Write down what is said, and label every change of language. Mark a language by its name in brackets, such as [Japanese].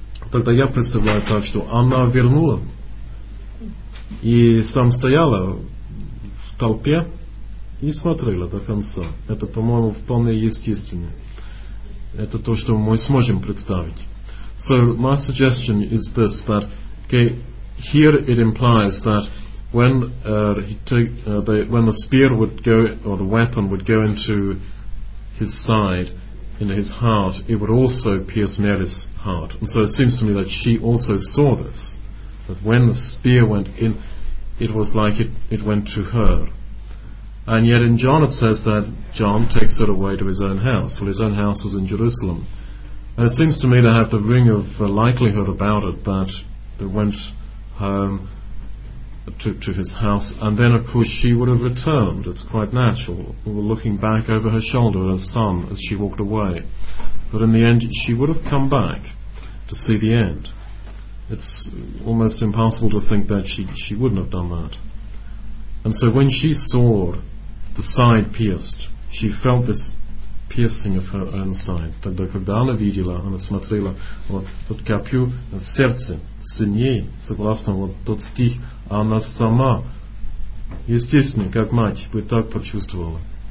[Russian] Тогда я представляю так, что она вернулась и сам стояла в толпе и смотрела до конца. Это, по-моему, вполне естественно. Это то, что мы сможем представить. [English] So my suggestion is this, that okay, here it implies that when when the spear would go or the weapon would go into his side, into his heart, it would also pierce Mary's heart. And so it seems to me that she also saw this, that when the spear went in, it was like it went to her. And yet in John it says that John takes it away to his own house. Well, his own house was in Jerusalem. And it seems to me to have the ring of likelihood about it that that went home to his house, and then of course she would have returned. It's quite natural. We were looking back over her shoulder at her son as she walked away. But in the end, she would have come back to see the end. It's almost impossible to think that she wouldn't have done that. And so when she saw the side pierced, she felt this piercing of her own side. [Russian] Тогда когда она видела, она смотрела вот тут копью сердце сыней, согласно вот тот стих, она сама, естественно, как мать, бы так почувствовала.